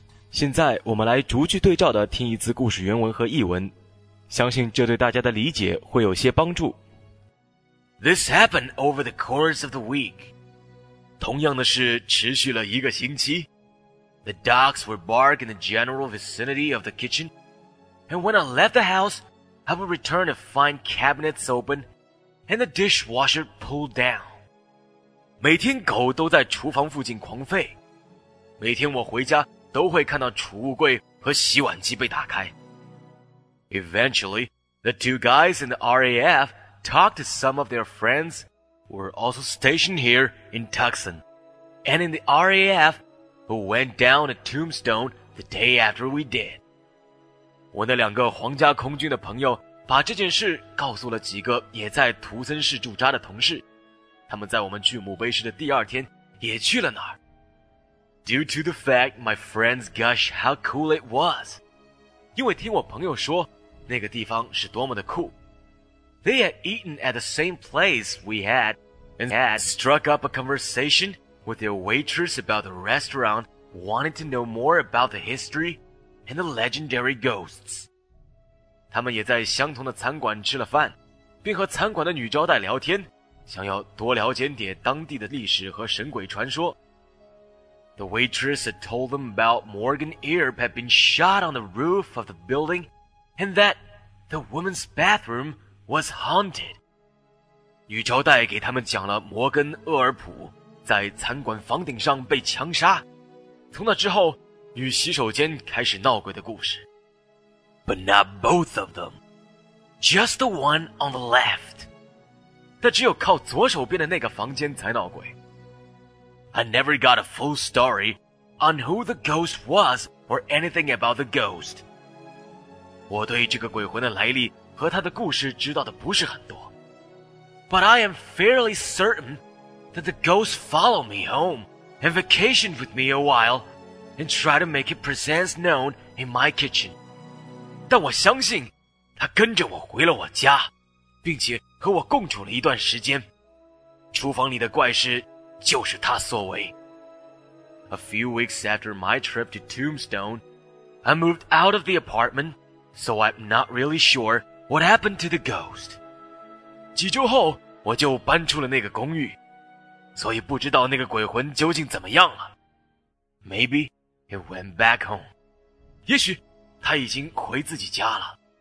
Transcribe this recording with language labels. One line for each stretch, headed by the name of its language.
Chinese: 现在我们来逐句对照的听一次故事原文和译文，相信这对大家的理解会有些帮助。
English: This happened over the course of the week.
Chinese: 同样的事持续了一个星期。
English: The dogs were barking in the general vicinity of the kitchen, and when I left the house, I would return to find cabinets open and the dishwasher pulled down.
Chinese: 每天狗都在厨房附近狂吠，每天我回家都会看到储物柜和洗碗机被打开。
English: Eventually, the two guys in the RAF talked to some of their friends who were also stationed here in Tucson and in the RAF who went down a tombstone the day after we did.
Chinese: 我那两个皇家空军的朋友把这件事告诉了几个也在图森市驻扎的同事，他们在我们去墓碑时的第二天也去了那儿。
English: Due to the fact my friends gushed how cool it was.
Chinese: 因为听我朋友说那个地方是多么的酷。
English: They had eaten at the same place we had and had struck up a conversation with their waitress about the restaurant, wanting to know more about the history and the legendary ghosts.
Chinese: 他们也在相同的餐馆吃了饭，并和餐馆的女招待聊天，想要多了解点当地的历史和神鬼传说。
English: The waitress had told them about Morgan Earp had been shot on the roof of the building and that the woman's bathroom was haunted.
Chinese: 女招待给他们讲了摩根·厄尔普在餐馆房顶上被枪杀，从那之后，女洗手间开始闹鬼的故事。
English: But not both of them. Just the one on the left.
Chinese: 但只有靠左手边的那个房间才闹鬼。
English: I never got a full story on who the ghost was or anything about the ghost.
Chinese: 我对这个鬼魂的来历和他的故事知道的不是很多。
English: But I am fairly certain that the ghost followed me home and vacationed with me a while and tried to make his presence known in my kitchen.
Chinese: 但我相信他跟着我回了我家，并且和我共处了一段时间。厨房里的怪事就是他所为。
English: A few weeks after my trip to Tombstone, I moved out of the apartment, so I'm not really sure what happened to the ghost.
Chinese: 几周后我就搬出了那个公寓，所以不知道那个鬼魂究竟怎么样了。
English: Maybe it went back home.
Chinese: 也许他已经回自己家了。